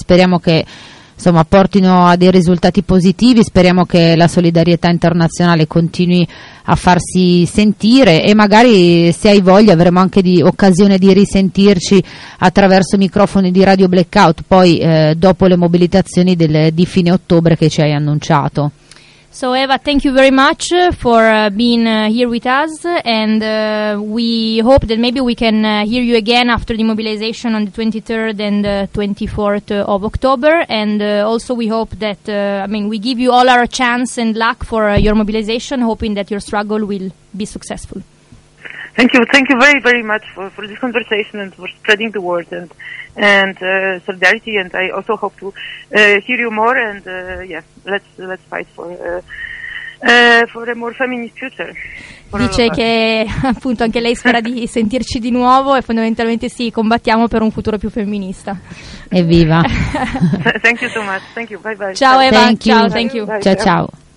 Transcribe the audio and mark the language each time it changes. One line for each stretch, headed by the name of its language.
Italian: Speriamo che insomma portino a dei risultati positivi, speriamo che la solidarietà internazionale continui a farsi sentire, e magari, se hai voglia, avremo anche di occasione di risentirci attraverso microfoni di Radio Blackout poi dopo le mobilitazioni di fine ottobre che ci hai annunciato.
English: So Eva, thank you very much for being here with us, and we hope that maybe we can hear you again after the mobilization on the 23rd and 24th of October, and also we hope that, we give you all our chance and luck for your mobilization, hoping that your struggle will be successful. Thank you very, very much for this conversation and for spreading the word and solidarity, and I also hope to hear you more, and let's fight for a more feminist future.
Italian: Dice che appunto anche lei spera di sentirci di nuovo, e fondamentalmente sì, combattiamo per un futuro più femminista. Evviva.
English: Thank you so much. Thank you. Bye bye. Ciao Eva. Thank you.
Italian: Bye. Ciao ciao.